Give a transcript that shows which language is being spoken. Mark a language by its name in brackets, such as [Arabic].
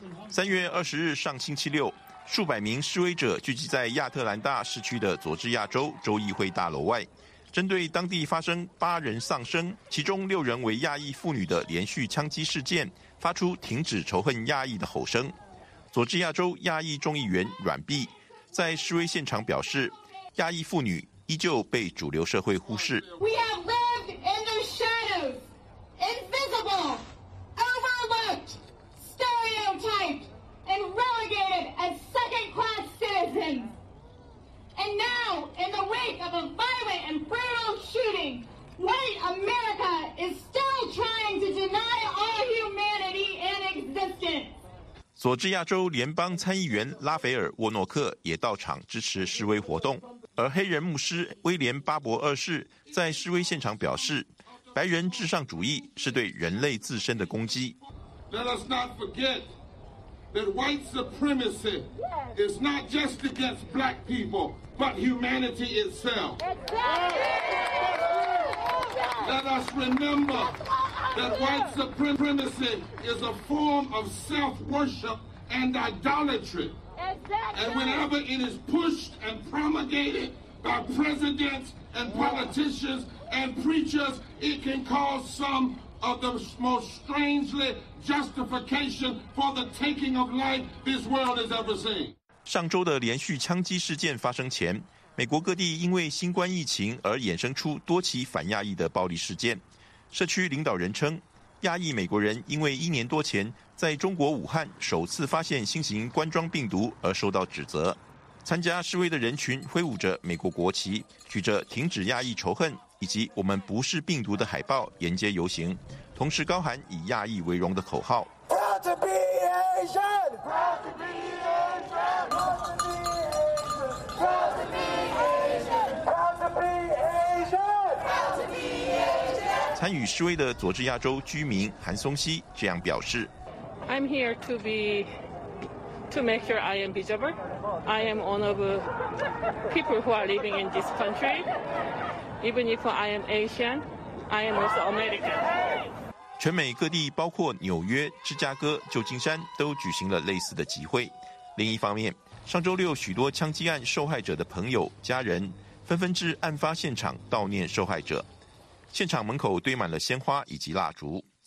[Chinese] 3月20日上星期六，数百名示威者聚集在亚特兰大市区的佐治亚州州议会大楼外，针对当地发生八人丧生，其中六人为亚裔妇女的连续枪击事件，发出停止仇恨亚裔的吼声。佐治亚州亚裔众议员阮碧在示威现场表示，亚裔妇女依旧被主流社会忽视。 [English] We have lived in the shadows, invisible, overlooked, stereotyped, and relegated as second-class citizens. And now, in the wake of a violent and brutal shooting, white America is still trying to deny all humanity and existence. [Chinese] 佐治亚州联邦参议员拉斐尔·沃诺克也到场支持示威活动。而黑人牧师威廉·巴伯二世在示威现场表示，白人至上主义是对人类自身的攻击。 [English] Let us not forget that white supremacy is not just against black people, but humanity itself. Let us remember that white supremacy is a form of self-worship and idolatry. And whenever it is pushed and promulgated by presidents and politicians and preachers, it can cause some of the most strangely justification for the taking of life this world has ever seen. [Chinese] 上周的连续枪击事件发生前，美国各地因为新冠疫情而衍生出多起反亚裔的暴力事件。社区领导人称，亚裔美国人因为一年多前在中国武汉首次发现新型冠状病毒而受到指责。参加示威的人群挥舞着美国国旗，举着停止亚裔仇恨以及我们不是病毒的海报沿街游行，同时高喊以亚裔为荣的口号。参与示威的佐治亚州居民韩松熙这样表示 [English] I'm here to be to make sure I am visible. I am one of people who are living in this country. Even if I am Asian, I am also American. [Chinese] 全美各地包括纽约、芝加哥、旧金山都举行了类似的集会。另一方面，上周六许多枪击案受害者的朋友、家人纷纷至案发现场悼念受害者，现场门口堆满了鲜花以及蜡烛。